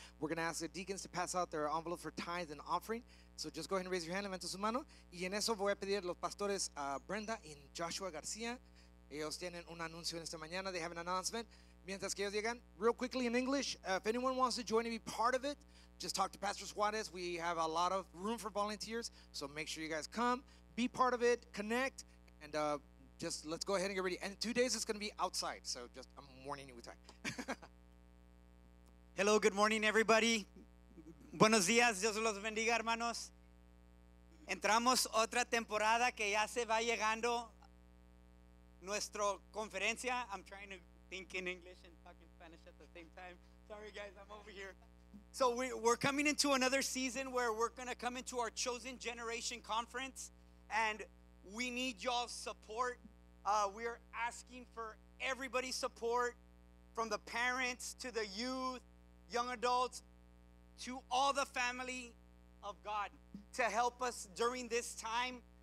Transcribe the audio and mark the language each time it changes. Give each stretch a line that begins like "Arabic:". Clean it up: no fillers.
English: We're going to ask the deacons to pass out their envelope for tithe and offering. So just go ahead and raise your hand,
Spanish: levanta su mano. Y en eso voy a pedir a los pastores Brenda y Joshua García. Ellos tienen un anuncio en esta mañana.
English: They have an announcement.
Spanish: Mientras que ellos llegan,
English: real quickly in English, if anyone wants to join and be part of it, just talk to Pastor Suarez. We have a lot of room for volunteers. So make sure you guys come, be part of it, connect, and just let's go ahead and get ready. And 2 days it's going to be outside. So just I'm warning you with time. Hello, good morning, everybody.
Spanish: Buenos días, Dios los bendiga, hermanos. Entramos otra temporada que ya se va llegando. Nuestra conferencia.
English: I'm trying to think in English and talk in Spanish at the same time. Sorry, guys, I'm over here. So we're coming into another season where we're going to come into our Chosen Generation Conference, and we need y'all's support. We are asking for everybody's support, from the parents to the youth, young adults, to all the family of God, to help us during this time.